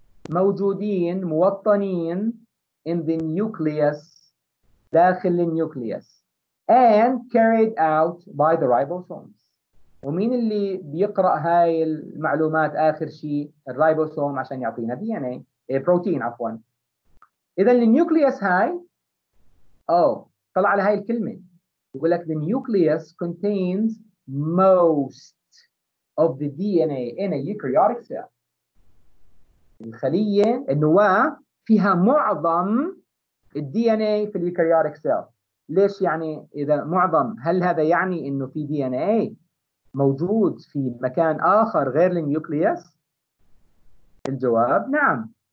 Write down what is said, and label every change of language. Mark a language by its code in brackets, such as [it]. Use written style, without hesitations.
[ar] موجودين موطنين [en] in the nucleus، [ar] داخل النيوكليوس، [en] and carried out by the ribosomes. [ar] ومين اللي بيقرأ هاي المعلومات آخر شيء؟ الرايبوسوم، عشان يعطينا DNA، بروتين عفوا. إذا النيوكليوس هاي، طلع على هاي الكلمة، يقول لك [en] the nucleus contains most of the DNA in a eukaryotic cell. [ar] الخلية النواة فيها معظم DNA في اليوكاريوتيك سيل. ليش يعني إذا معظم؟ هل هذا يعني إنه في DNA موجود في مكان آخر غير النيوكليوس؟ الجواب نعم.